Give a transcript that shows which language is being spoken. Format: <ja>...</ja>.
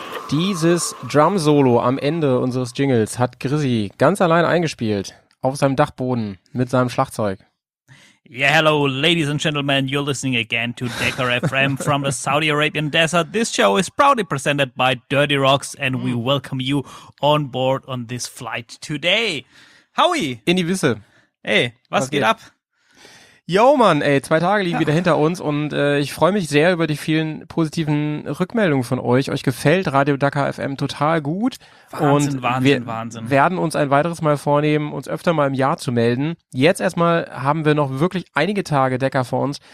<de>Dieses Drum-Solo am Ende unseres Jingles hat Grizzy ganz allein eingespielt, auf seinem Dachboden, mit seinem Schlagzeug.</de> <en>Yeah, hello, ladies and gentlemen, you're listening again to Decker FM from the Saudi Arabian Desert. This show is proudly presented by Dirty Rocks and we welcome you on board on this flight today. Howie!</en> <de>In die Wisse. Ey, was geht ab? Yo, Mann, ey, 2 Tage liegen wieder hinter uns und ich freue mich sehr über die vielen positiven Rückmeldungen von euch. Euch gefällt Radio Decker FM total gut. Wahnsinn. Wir werden uns ein weiteres Mal vornehmen, uns öfter mal im Jahr zu melden. Jetzt erstmal haben wir noch wirklich einige Tage Decker vor uns.</de>